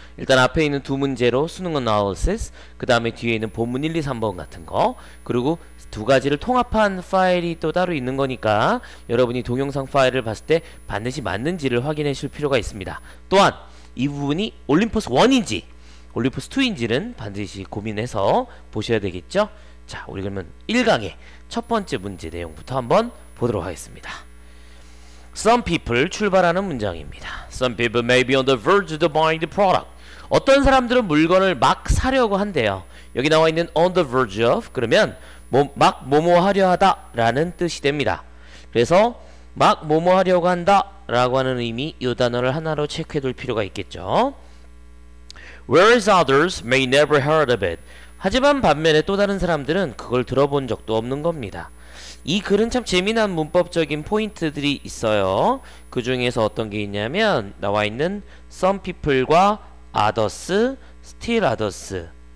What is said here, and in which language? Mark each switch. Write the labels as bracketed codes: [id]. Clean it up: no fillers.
[ko] 일단 앞에 있는 두 문제로 수능 어날리시스, 그 다음에 뒤에 있는 본문 1, 2, 3번 같은 거, 그리고 두 가지를 통합한 파일이 또 따로 있는 거니까 여러분이 동영상 파일을 봤을 때 반드시 맞는지를 확인해 주실 필요가 있습니다. 또한 이 부분이 올림포스 1인지 올림포스 2인지는 반드시 고민해서 보셔야 되겠죠? 자, 우리 그러면 1강의 첫 번째 문제 내용부터 한번 보도록 하겠습니다. [en] Some people [ko] 출발하는 문장입니다. [en] Some people may be on the verge of buying the product. [ko] 어떤 사람들은 물건을 막 사려고 한대요. 여기 나와 있는 on the verge of 그러면 뭐, 막 뭐뭐 하려 하다라는 뜻이 됩니다. 그래서 막 뭐뭐 하려고 한다라고 하는 의미 이 단어를 하나로 체크해 둘 필요가 있겠죠. [en] Whereas others may never heard of it. [ko] 하지만 반면에 또 다른 사람들은 그걸 들어본 적도 없는 겁니다. 이 글은 참 재미난 문법적인 포인트들이 있어요. 그 중에서 어떤 게 있냐면 나와 있는 some people과 others, still others.